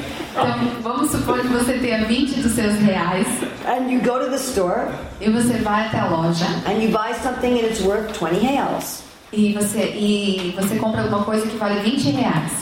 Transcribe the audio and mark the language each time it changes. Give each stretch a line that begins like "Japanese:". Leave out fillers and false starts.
Portuguese: Então, vamos supor que você tenha 20 dos seus reais.
English: And you go to the store.
Portuguese: E você vai até a loja.
English: And you buy something and it's worth 20 reals.
Portuguese: E você compra alguma coisa que vale 20 reais.